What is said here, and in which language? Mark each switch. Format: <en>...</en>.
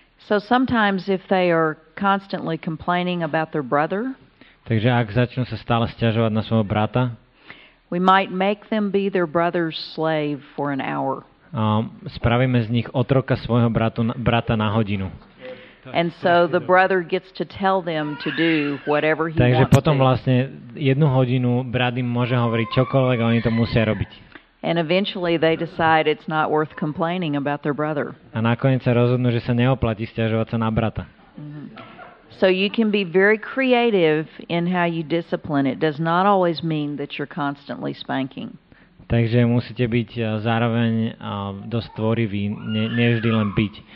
<en>So sometimes if they are constantly complaining about their brother,</en> <sk>takže ak začnú sa stále sťažovať na svojho brata,</sk> <en>we might make them be their brother's slave for an hour.</en> <sk>Spravíme z nich otroka svojho brata na hodinu.</sk> <en>And so the brother gets to tell them to do whatever he wants.</en> <sk>Takže potom vlastne jednu hodinu brat im môže hovoriť čokoľvek a oni to musia robiť.</sk> <en>And eventually they decide it's not worth complaining about their brother.</en> <sk>A nakoniec sa rozhodnú, že sa neoplatí sťažovať sa na brata. Mm-hmm.</sk> <en>So you can be very creative in how you discipline. It does not always mean that you're constantly spanking.</en> <sk>Takže musíte byť zároveň dosť tvoriví, nevždy len byť.</sk>